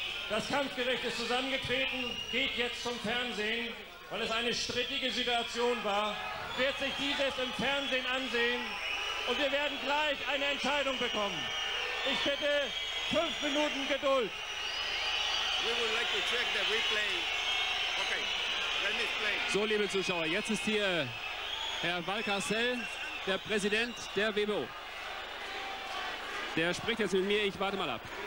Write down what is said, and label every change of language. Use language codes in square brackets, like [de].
[de] Das Kampfgericht ist zusammengetreten, geht jetzt zum Fernsehen, weil es eine strittige Situation war. Wird sich dieses im Fernsehen ansehen und wir werden gleich eine Entscheidung bekommen. Ich bitte 5 Minuten Geduld. [en] We would like to check the replay. Okay. [de] So, liebe Zuschauer, jetzt ist hier Herr Valcarcel, der Präsident der WBO. Der spricht jetzt mit mir, ich warte mal ab.